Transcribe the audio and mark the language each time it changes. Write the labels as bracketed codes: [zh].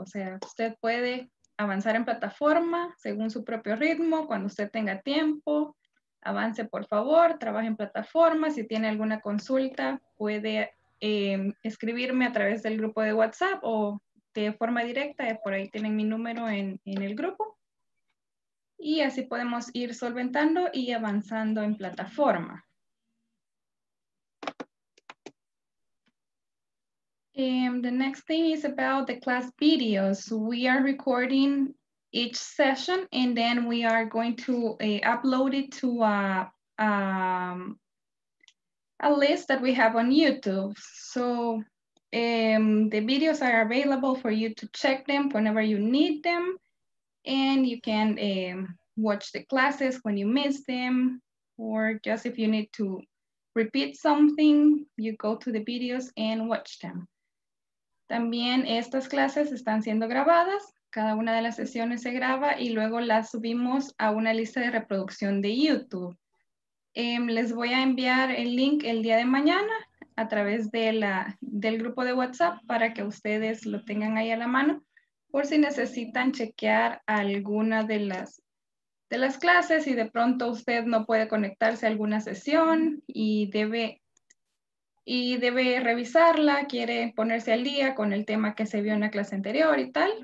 [es] O sea, usted puede avanzar en plataforma según su propio ritmo, cuando usted tenga tiempo, avance por favor, trabaje en plataforma, si tiene alguna consulta puede escribirme a través del grupo de WhatsApp o de forma directa, por ahí tienen mi número en el grupo y así podemos ir solventando y avanzando en plataforma. [en] The next thing is about the class videos. We are recording each session and then we are going to upload it to a list that we have on YouTube. So the videos are available for you to check them whenever you need them. And you can watch the classes when you miss them, or just if you need to repeat something, you go to the videos and watch them. [es] También estas clases están siendo grabadas. Cada una de las sesiones se graba y luego las subimos a una lista de reproducción de YouTube. Les voy a enviar el link el día de mañana a través del grupo de WhatsApp para que ustedes lo tengan ahí a la mano por si necesitan chequear alguna de las clases y de pronto usted no puede conectarse a alguna sesión y debe revisarla, quiere ponerse al día con el tema que se vio en la clase anterior y tal.